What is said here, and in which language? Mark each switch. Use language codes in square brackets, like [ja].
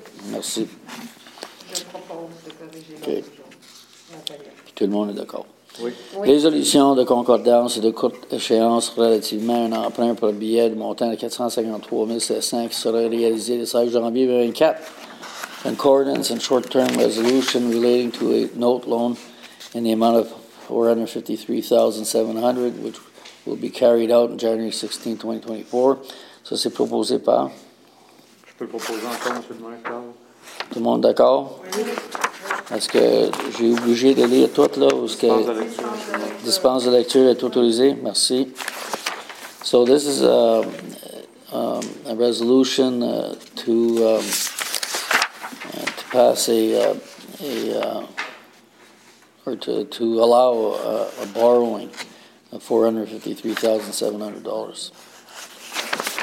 [fr] Merci. Je propose de corriger l'ordre du jour. Tout le monde est d'accord. Oui. Résolution de concordance et de courte échéance relativement à un emprunt pour billet de montant de 453 500 qui sera réalisé le 16 janvier 2024. [en] Concordance and short-term resolution relating to a note loan in the amount of $453,700, which will be carried out on January 16, 2024. [fr] Ça, c'est proposé par? Je peux proposer encore, M. le maire, Carl. Tout le monde d'accord? Oui. Est-ce que j'ai obligé de lire tout, là, ou est-ce que dispense de lecture est autorisée? Merci. [en] So this is a resolution to pass to allow a borrowing of $453,700.